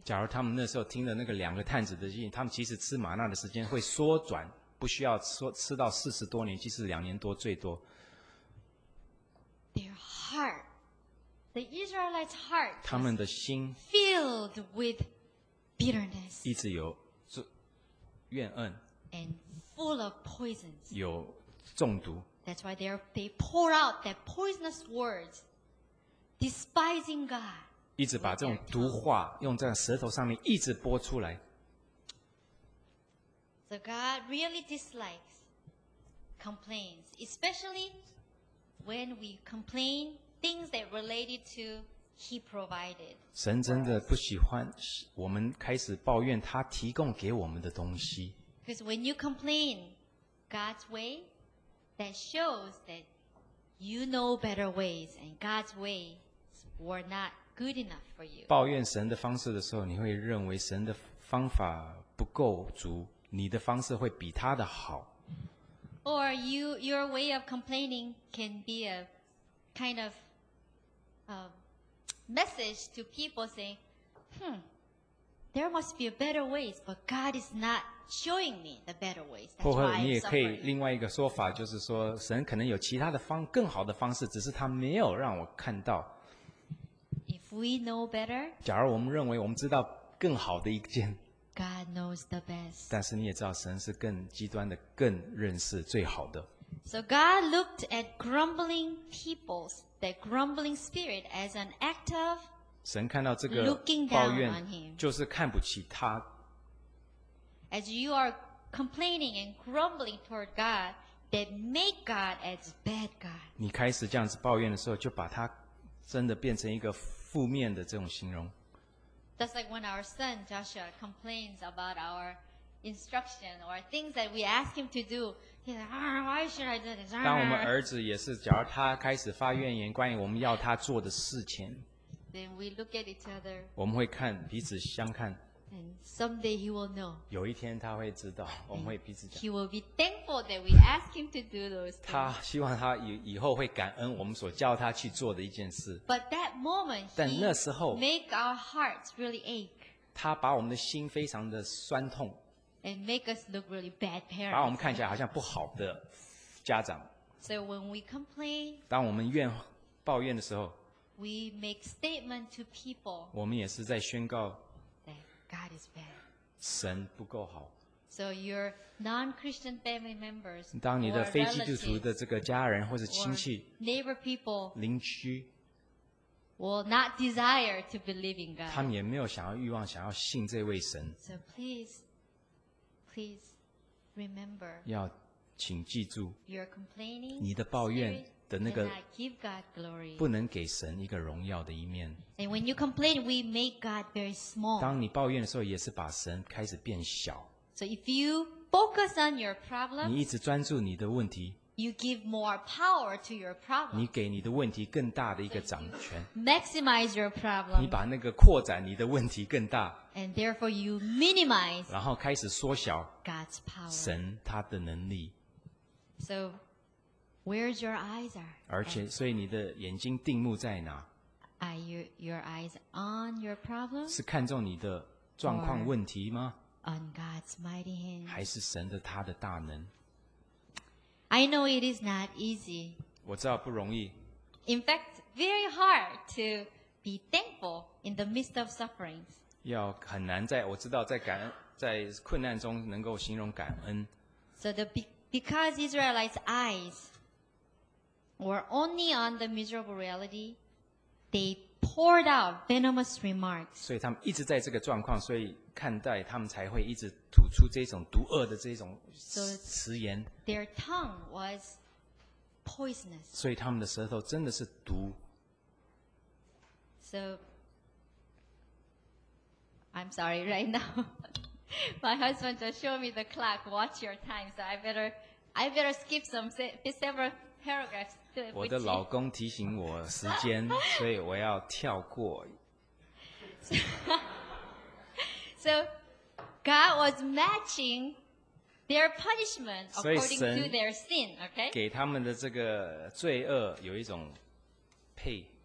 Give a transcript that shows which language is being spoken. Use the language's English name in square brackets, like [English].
[Chinese] 假如他们那时候听了那个两个探子的建议，他们其实吃玛纳的时间会缩短，不需要吃到40多年，其实两年多最多。 [English] Their heart, the Israelites' heart, [Chinese] 他们的心 [English] filled with bitterness, [Chinese] 一直有怨恨 [English] and full of poisons, [Chinese] 有中毒 [English] That's why they pour out that poisonous words, despising God, [Chinese] 一直把这种毒话用在舌头上面一直播出来 [English] So God really dislikes complaints, especially. When we complain things that related to He provided, [Chinese] 神真的不喜欢我们开始抱怨他提供给我们的东西。 [English] Because when you complain, God's way that shows that you know better ways and God's ways were not good enough for you. [Chinese] 抱怨神的方式的时候，你会认为神的方法不够足，你的方式会比他的好。 [English] Or you, your way of complaining can be a kind of message to people saying, there must be a better ways, but God is not showing me the better ways. That's why I'm suffering. [Chinese] 或者你也可以另外一个说法，就是说神可能有其他的方更好的方式，只是他没有让我看到。 [English] If we know better, [Chinese] 假如我们认为我们知道更好的一件。 [English] God knows the best. [Chinese] 但是你也知道神是更极端的，更认识最好的。 [English] So God looked at grumbling peoples, that grumbling spirit as an act of [Chinese] 神看到这个抱怨就是看不起他。 [English] As you are complaining and grumbling toward God, that make God as bad God. [Chinese] 你开始这样子抱怨的时候，就把他真的变成一个负面的这种形容。 [English] That's like when our son Joshua complains about our instruction or things that we ask him to do. He's like, why should I do this? [Chinese] 当我们儿子也是，假如他开始发怨言，关于我们要他做的事情， [English] then we look at each other. [Chinese] 我们会看彼此相看。 [English] And someday he will know. [Chinese] 有一天他会知道，我们会彼此讲。 [English] He will be thankful that we ask him to do those things. [Chinese] 他希望他以后会感恩我们所叫他去做的一件事。 [English] But that moment, [Chinese] 但那时候 [English] he make our hearts really ache. [Chinese] 他把我们的心非常的酸痛。 [English] And make us look really bad parents. [Chinese] 把我们看起来好像不好的家长。 [English] So when we complain, [Chinese] 当我们抱怨的时候 [English] we make statement to people. [Chinese] 我们也是在宣告 [English] God is bad. [Chinese] 神不够好。 [English] So your non-Christian family members, [Chinese] 当你的非基督徒的这个家人或者亲戚、 [English] neighbor people, [Chinese] 邻居 [English] will not desire to believe in God. [Chinese] 他们也没有想要欲望想要信这位神。 [English] So please, please remember. [Chinese] 要请记住。 [English] You're complaining. [Chinese] 你的抱怨的那个 [English] cannot give God glory. [Chinese] 不能给神一个荣耀的一面。 [English] And when you complain, we make God very small. [Chinese] 当你抱怨的时候，也是把神开始变小。 [English] So if you focus on your problem, [Chinese] 你一直专注你的问题， [English] you give more power to your problem. [Chinese] 你给你的问题更大的一个掌权。 [English] So、you maximize your problem. [Chinese] 你把那个扩展你的问题更大。 [English] And therefore you minimize. [Chinese] 然后开始缩小 [English] God's power. [Chinese] 神他的能力。 [English] So where's your eyes are? [Chinese] 而且，所以你的眼睛定目在哪？ [English] Are you, your eyes on your problem? [Chinese] 是看中你的状况问题吗 [English] ？On God's mighty hand. [Chinese] 还是神的他的大能 [English] ？I know it is not easy. [Chinese] 我知道不容易。 [English] In fact, very hard to be thankful in the midst of sufferings. [Chinese] 要很难在我知道在感在困难中能够形容感恩。 [English] So the because Israelites' eyes were only on the miserable reality. They poured out venomous remarks. [Chinese] 所以他们一直在这个状况，所以看待他们才会一直吐出这种毒恶的这种词言。 [English] So、their tongue was poisonous. [Chinese] 所以他们的舌头真的是毒。 [English] So I'm sorry right now. My husband just showed me the clock. Watch your time. So I better skip several paragraphs. [Chinese] 我的老公提醒我时间，所以我要跳过。 [English] So God was matching their punishment according to their sin. Okay. [Chinese] 给他们的这个罪恶有一种配。